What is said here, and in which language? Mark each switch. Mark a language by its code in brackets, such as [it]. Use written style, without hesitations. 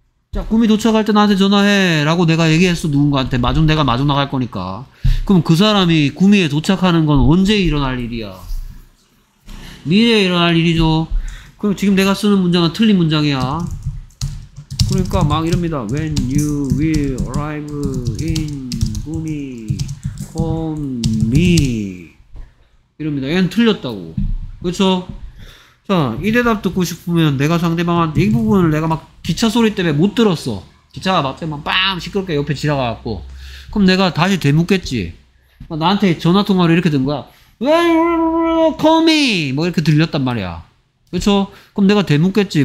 [ko] 자, 구미 도착할 때 나한테 전화해라고 내가 얘기했어 누군가한테. 내가 마주 나갈 거니까. 그럼 그 사람이 구미에 도착하는 건 언제 일어날 일이야? 미래에 일어날 일이죠. 그럼 지금 내가 쓰는 문장은 틀린 문장이야. 그러니까 막 이럽니다. [en] When you will arrive in 구미, call me. [ko] 이럽니다. 얘는 틀렸다고. 그렇죠? 자, 이 대답 듣고 싶으면 내가 상대방한테 이 부분을 내가 막 기차 소리 때문에 못 들었어. 기차가 막대만 빵 시끄럽게 옆에 지나가갖고. 그럼 내가 다시 되묻겠지. 나한테 전화 통화로 이렇게 든 거야. Call me 뭐 이렇게 들렸단 말이야. 그렇죠? 그럼 내가 되묻겠지.